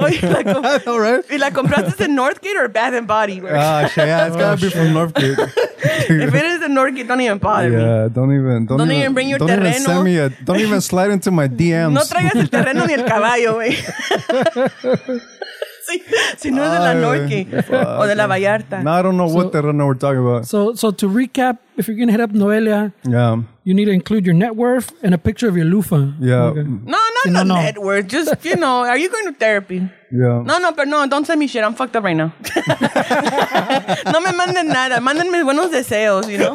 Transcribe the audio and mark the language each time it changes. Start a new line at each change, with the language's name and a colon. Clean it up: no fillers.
Spanish: Oye, ¿y la compraste en Northgate o Bath & Body?
English: It's gotta be from Northgate. If it is in Northgate, don't even bother me. Yeah, don't even bring your
Spanish: terreno.
English: Don't even send me a... Don't even slide into my DMs.
Spanish: No traigas el terreno ni el caballo, güey. Si no es de la Norque o de la Vallarta.
English: No, I don't know what terreno we're talking about. So to recap, if you're going to hit up Noelia, yeah, you need to include your net worth and a picture of your loofah. Yeah. Okay. No, not net worth. Just, you know, are you going to therapy? Yeah. No, don't send me shit. I'm fucked up right now.
Spanish: No me manden nada. Mándenme buenos deseos,
English: you know?